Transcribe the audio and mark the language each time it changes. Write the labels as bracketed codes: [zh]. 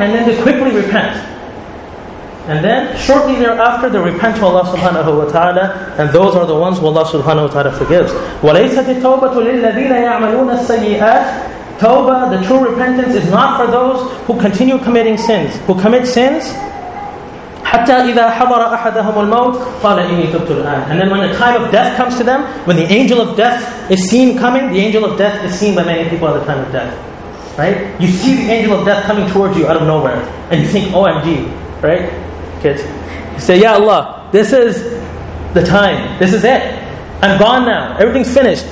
[en] And then they quickly repent. And then shortly thereafter they repent to Allah subhanahu wa ta'ala. And those are the ones who Allah subhanahu wa ta'ala forgives. [ar] وَلَيْسَتِ التَّوْبَةُ لِلَّذِينَ يَعْمَلُونَ السَّيِّئَاتِ. [en] Tawbah, the true repentance, is not for those who continue committing sins. Who commit sins. [ar] حتى إذا حضر أحدهم الموت قال إني تبت الآن. [en] And then when the time of death comes to them, when the angel of death is seen coming, the angel of death is seen by many people at the time of death. Right? You see the angel of death coming towards you out of nowhere. And you think, OMG. Right? Kids. You say, Ya Allah, this is the time. This is it. I'm gone now. Everything's finished.